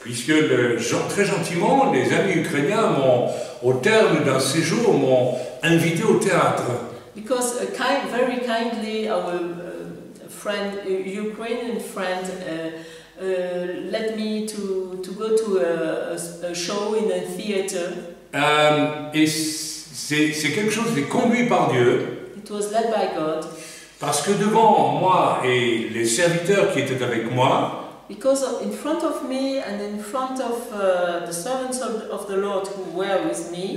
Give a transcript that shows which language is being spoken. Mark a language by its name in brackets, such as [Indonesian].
[French] Puisque très gentiment, les amis ukrainiens m'ont, au terme d'un séjour, m'ont invité au théâtre. [English] Because very kindly, our friend, Ukrainian friend, led me to go to a show in a theater. [French] Et c'est quelque chose qui est conduit par Dieu. [English] It was led by God. [French] Parce que devant moi et les serviteurs qui étaient avec moi, [English] because in front of me and in front of the servants of the Lord who were with me,